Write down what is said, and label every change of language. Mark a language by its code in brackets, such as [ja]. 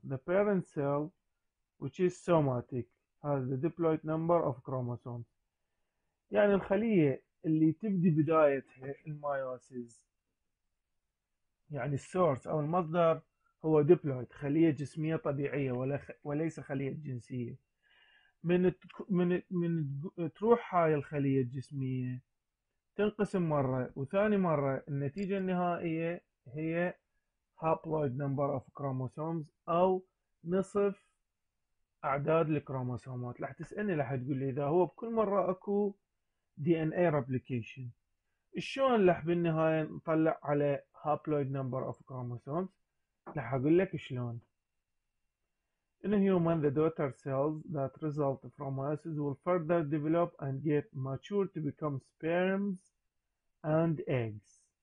[en] The parent cell which is somatic has the diploid number of chromosomes. [ar] يعني الخلية اللي تبدي بدايتها المايوسيس، يعني السورس أو المصدر هو ديبلويد، خلية جسمية طبيعية وليس خلية جنسية. من تروح هاي الخلية الجسمية تنقسم مرة وثاني مرة، النتيجة النهائية هي [en] haploid number of chromosomes [ar] او نصف اعداد الكروموسومات. راح تسألني راح تقول لي اذا هو بكل مرة اكو دي ان اي ريبليكيشن، شلون راح بالنهاية نطلع على [en] Haploid number of chromosomes? [ar] راح اقول لك شلون. [en] In a human, the daughter cells that result from meiosis will further develop and get mature to become sperms and eggs.